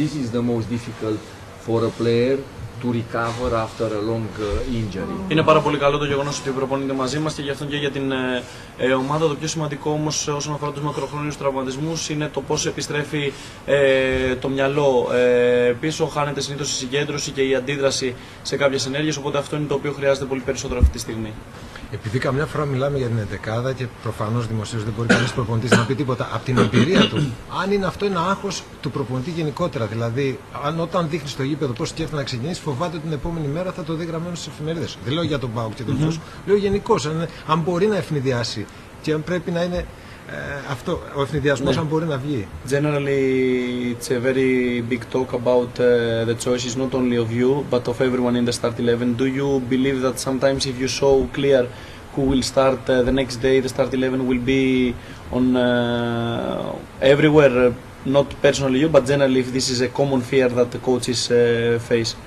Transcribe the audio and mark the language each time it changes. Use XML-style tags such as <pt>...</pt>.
<en>This is the most difficult for a player to recover after a long injury.</en> <el>Είναι πάρα πολύ καλό το γεγονός ότι προπονείται μαζί μας και γι' αυτό και για την ομάδα. Το πιο σημαντικό όμως όσον αφορά τους μακροχρόνιους τραυματισμούς είναι το πώς επιστρέφει το μυαλό πίσω. Χάνεται συνήθως η συγκέντρωση και η αντίδραση σε κάποιες ενέργειες, οπότε αυτό είναι το οποίο χρειάζεται πολύ περισσότερο αυτή τη στιγμή. Επειδή καμιά φορά μιλάμε για την εντεκάδα και προφανώς δημοσίως δεν μπορεί κανείς προπονητής να πει τίποτα από την εμπειρία του, αν είναι αυτό ένα άγχος του προπονητή γενικότερα, δηλαδή αν όταν δείχνει στο γήπεδο πώς σκέφτεται να ξεκινήσει, φοβάται ότι την επόμενη μέρα θα το δει γραμμένο στις εφημερίδες. Δεν λέω για τον ΠΑΟΚ και τον Φιλιππίνο, λέω γενικώς, αν μπορεί να ευνηδιάσει και αν πρέπει να είναι αυτό ο ευνηδιασμός, αν μπορεί να βγει.</el> <en>Generally, it's a very big talk about the choices, not only of you, but of everyone in the start 11. Do you believe that sometimes if you show clear who will start the next day, the start 11 will be on everywhere, not personally you, but generally if this is a common fear that the coaches face.</en>